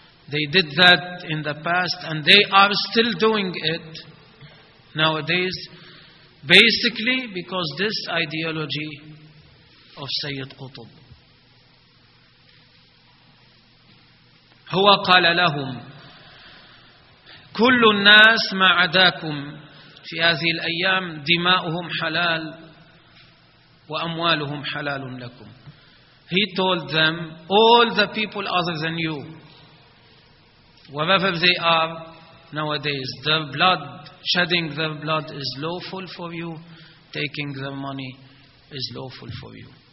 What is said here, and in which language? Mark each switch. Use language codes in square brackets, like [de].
[en] They did that in the past and they are still doing it nowadays, basically because this ideology of Sayyid Qutb. [ar] هو قال لهم كل الناس ما عداكم في هذه الأيام دماؤهم حلال وأموالهم حلال لكم. [en] He told them all the people other than you, wherever they are nowadays, their blood, shedding their blood is lawful for you, taking their money is lawful for you.